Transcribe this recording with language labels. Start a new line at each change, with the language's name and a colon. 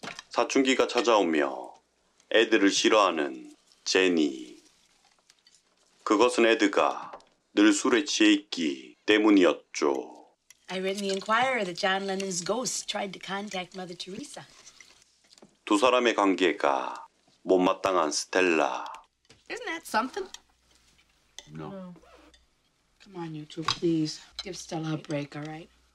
Korean: 사춘기가 찾아오며 애들을 싫어하는 제니. 그것은 애드가 늘 술에 취해 있기 때문이었죠.
English: I read in the Inquirer that John Lennon's ghost tried to contact Mother Teresa.
Korean: 두 사람의 관계가 못마땅한 스텔라.
English: Isn't that something? No. Come on, you two, please. Give Stella a break, all right?